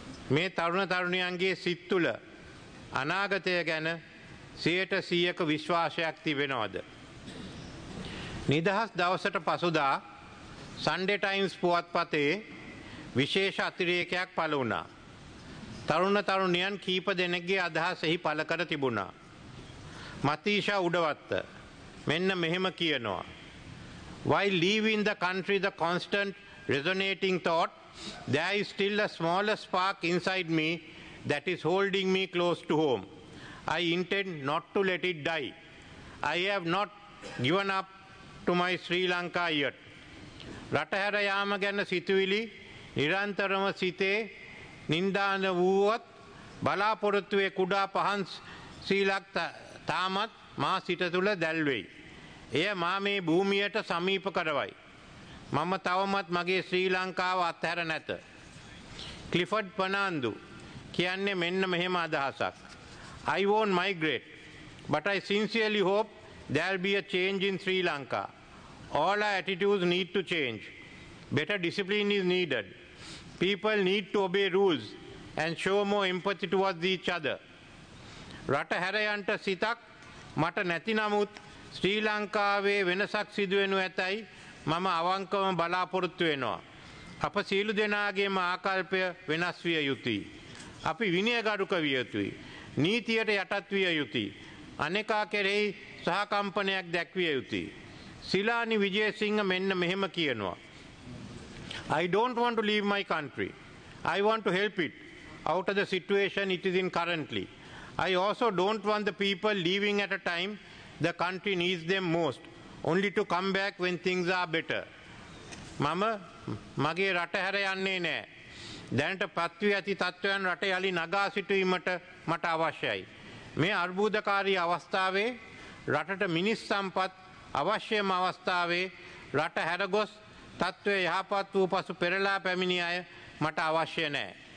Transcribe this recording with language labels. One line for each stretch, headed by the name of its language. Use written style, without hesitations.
Sinhala: මේ තරුණ තරුණියන්ගේ සිත් තුළ අනාගතය ගැන 100%ක විශ්වාසයක් තිබෙනවද? නිදහස් දවසට පසුදා සන්ඩේ ටයිම්ස් පුවත්පතේ විශේෂ අතිරේකයක් පළ වුණා. තරුණ තරුණියන් කීප දෙනෙක්ගේ අදහස් එහි පළ කර තිබුණා. මතීෂා උඩවත්ත මෙන්න මෙහෙම කියනවා.
English: While leaving the country, the constant resonating thought, there is still a smaller spark inside me that is holding me close to home. I intend not to let it die. I have not given up to my Sri Lanka yet.
Sinhala: රටහැර යාම ගැන සිතුවිලි නිරන්තරම සිතේ නින්දාන වූවත් බලාපොරොත්තුවේ කුඩා පහන් සීලක් තාමත් මා සිත තුළ දැල්වෙයි. එය මා මේ භූමියට සමීප කරවයි. මම තවමත් මගේ ශ්‍රී ලංකාව අත්හැර නැත. ක්ලිෆඩ් පනාන්දු කියන්නේ මෙන්න මෙහෙම අදහසක්.
English: I won't migrate, but I sincerely hope there'll be a change in Sri Lanka. All our attitudes need to change. Better discipline is needed. People need to obey rules and show more empathy towards each other.
Sinhala: රට හැරයන්ට සිතක් මට නැති නමුත් ශ්‍රී ලංකාවේ වෙනසක් සිදුවෙනු ඇතැයි මම අවංකවම බලාපොරොත්තු වෙනවා. අප සියලු දෙනාගේම ආකල්පය වෙනස් විය යුතුයි. අපි විනයගරුක විය යුතුයි. නීතියට යටත් විය යුතුයි. අනෙකා කෙරෙහි සහකම්පනයක් දැක්විය යුතුයි. ශිලානි විජේසිංහ මෙන්න මෙහෙම කියනවා.
English: I don't want to leave my country. I want to help it out of the situation it is in currently. I also don't want the people leaving at a time the country needs them most, only to come back when things are better.
Sinhala: මම මගේ රට හැර යන්නේ නැහැ. දැනට පත්වී ඇති තත්ත්වයන් රට යලි නගා සිටීමට මට අවශ්‍යයි. මේ අර්බුදකාරී අවස්ථාවේ රටට මිනිස් සම්පත් අවශ්‍යම අවස්ථාවේ රට හැරගොස් තත්ත්වය යහපත් වූ පසු පෙරලා පැමිණි අය මට අවශ්‍ය නැහැ.